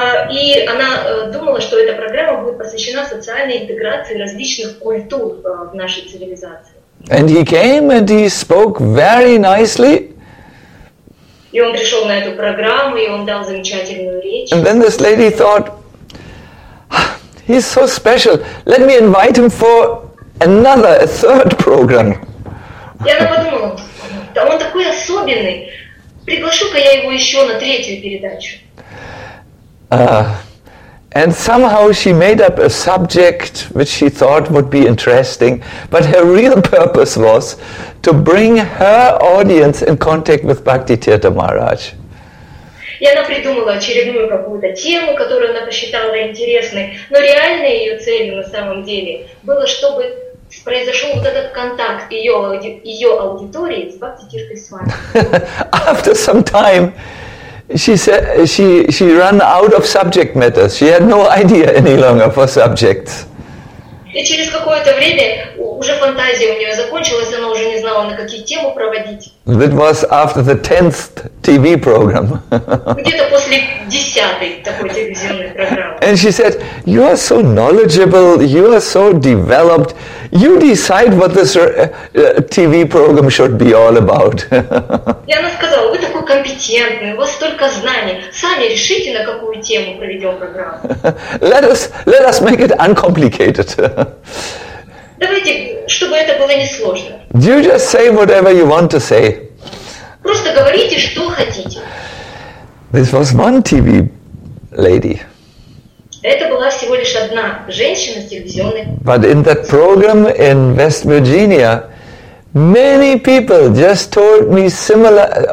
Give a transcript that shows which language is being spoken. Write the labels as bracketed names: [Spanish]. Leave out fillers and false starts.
[Russian] И она думала, что эта программа будет посвящена социальной интеграции различных культур в нашей цивилизации. [English] And he came and he spoke very nicely. [Russian] И он пришел на эту программу, и он дал замечательную речь. [English] And then this lady thought, "He's so special. Let me invite him for another, a third program." [Russian] Я подумала: "Он такой особенный. Приглашу-ка я его еще на третью передачу." [English] And somehow she made up a subject which she thought would be interesting, but her real purpose was to bring her audience in contact with Bhakti Tirtha Maharaj. [Russian] И она придумала очередную какую-то тему, которую она посчитала интересной, но реальной ее целью на самом деле было, чтобы произошел вот этот контакт ее аудитории с Бхакти Тиртхой Свами. [English] After some time, she said she ran out of subject matters. She had no idea any longer for subjects. [Russian] И через какое-то время уже фантазия у нее закончилась, она уже не знала, на какие темы проводить. [English] That was after the 10th TV program. [Russian] Где-то после 10-й такой телевизионной программы. [English] And she said, you are so knowledgeable, you are so developed, you decide what this TV program should be all about. [Russian] И она сказала, вы такой компетентный, у вас столько знаний, сами решите, на какую тему проведем программу. [English] Let us make it uncomplicated. [Russian] Давайте, чтобы это было несложно. [English] You just say whatever you want to say. [Russian] Просто говорите, что хотите. [English] This was one TV lady. [Russian] Это была всего лишь одна женщина с телевизионной. [English] But in that program in West Virginia, many people just told me similar.